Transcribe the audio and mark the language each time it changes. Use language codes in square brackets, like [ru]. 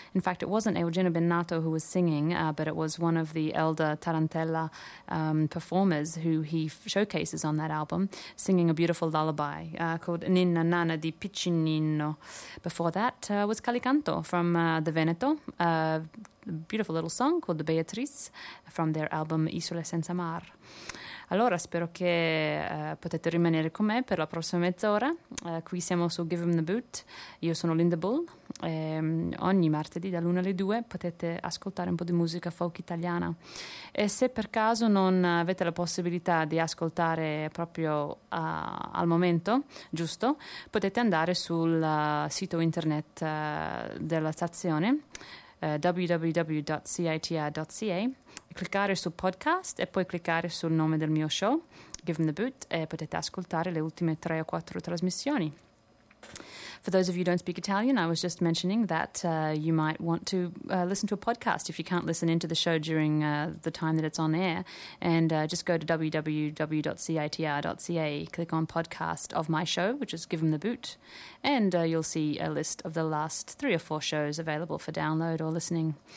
[en] In fact, it wasn't Eugenio Bennato who was singing, but it was one of the elder Tarantella performers who he showcases on that album, singing a beautiful lullaby called Ninna Nana di Piccinino. Before that was Calicanto from the Veneto, a beautiful little song called The Beatrice from their album Isole Senza Mar. [it] Allora, spero che potete rimanere con me per la prossima mezz'ora. Qui siamo su Give Him the Boot. Io sono Linda Bull. Ogni martedì dall'1 alle 2 potete ascoltare un po' di musica folk italiana. E se per caso non avete la possibilità di ascoltare proprio al momento, giusto, potete andare sul sito internet della stazione www.citr.ca, cliccare su podcast e poi cliccare sul nome del mio show, Give Him the Boot, e potete ascoltare le ultime 3 o 4 trasmissioni. [en] For those of you who don't speak Italian, I was just mentioning that you might want to listen to a podcast if you can't listen into the show during the time that it's on air. And just go to www.citr.ca, click on podcast of my show, which is Give Him the Boot, and you'll see a list of the last 3 or 4 shows available for download or listening.